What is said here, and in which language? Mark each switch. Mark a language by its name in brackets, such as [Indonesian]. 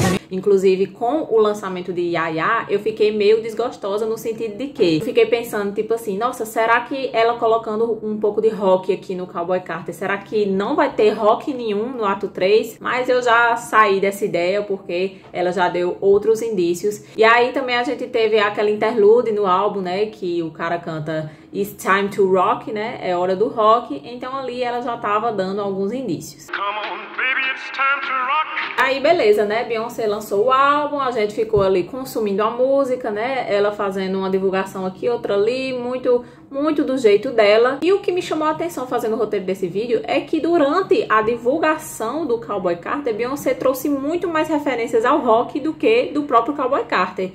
[Portuguese] Inclusive, com o lançamento de Ya Ya, eu fiquei meio desgostosa no sentido de que fiquei pensando, tipo assim, nossa, será que ela colocando um pouco de rock aqui no Cowboy Carter, será que não vai ter rock nenhum no ato 3? Mas eu já saí dessa ideia, porque ela já deu outros indícios. E aí também a gente teve aquela interlude no álbum, né, que o cara canta It's Time to Rock, né, é hora do rock. Então ali ela já tava dando alguns indícios. [English] Come on, baby, it's time to rock. [Portuguese] Aí beleza, né, Beyoncé lançou o álbum, a gente ficou ali consumindo a música, né, ela fazendo uma divulgação aqui, outra ali, muito, muito do jeito dela. E o que me chamou a atenção fazendo o roteiro desse vídeo é que durante a divulgação do Cowboy Carter, Beyoncé trouxe muito mais referências ao rock do que do próprio Cowboy Carter.